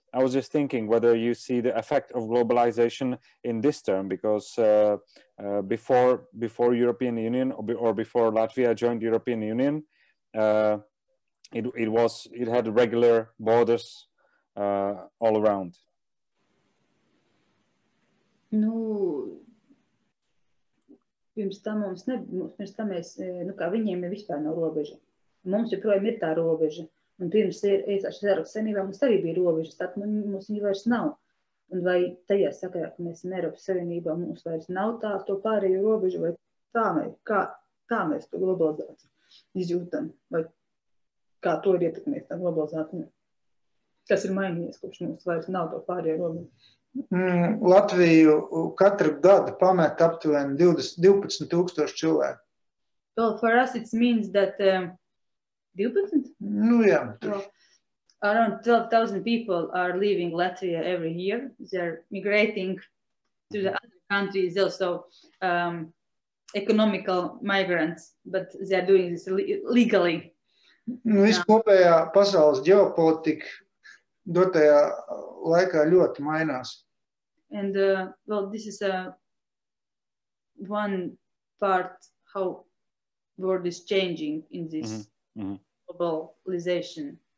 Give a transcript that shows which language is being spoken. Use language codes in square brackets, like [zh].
[en] I was just thinking whether you see the effect of globalization in this term, because before European Union or before Latvia joined European Union, it had regular borders all around. [lv] Nu, pirms tam mums ne, pirms tam mēs, nu kā viņiem ir vispār no robeža. Mums joprojām ir tā robeža. Un pirms senībā mums arī bija robežas, tad mums viņi vairs nav. Un vai tajā sakarā, ka mēs esam Eiropas Savienībā, mums vairs nav tā to pārējo robežu, vai tā mēs, kā mēs to globalizāciju izjūtam, vai kā to ir ietekmēt tā globalizācija. Kas ir mainījies, kurš mums vairs nav to pārējo robežu. Latviju katru gadu pamēt aptuveni 12 tūkstoši cilvēku. [en] Well, for us it means that 12? [lv] Nu jā. [en] So, around 12,000 people are leaving Latvia every year. They're migrating to the other countries, also economical migrants, but they're doing this legally. [lv] Nu, vispārējā pasaules ģeopolitika dotajā laikā ļoti mainās. [en] And well, this is a one part how the world is changing in this globalization.